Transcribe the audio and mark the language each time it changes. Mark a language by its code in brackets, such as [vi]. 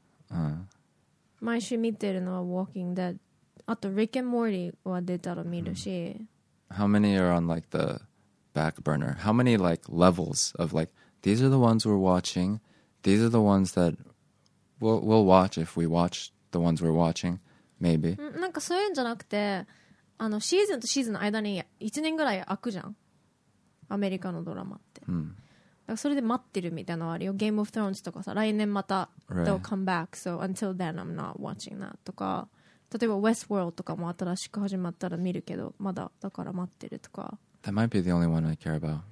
[en] I'm watching Walking Dead every day. And Rick and Morty are coming out. How many are on like the back burner? How many like levels of like, these are the ones we're watching, these are the ones thatWe'll watch if we watch the ones we're watching, maybe. [ja] なんかそういうんじゃなくて、あのシーズンとシーズンの間に1年ぐらい空くじゃん、アメリカのドラマって。だからそれで待ってるみたいなのあるよ。 [en] Game of Thrones [ja] とかさ、来年また [en] they'll come back, so until then I'm not watching that. [ja] とか、例えば Westworld とかも新しく始まったら見るけど、まだだから待ってるとか。 [en] That might be the only one I care about.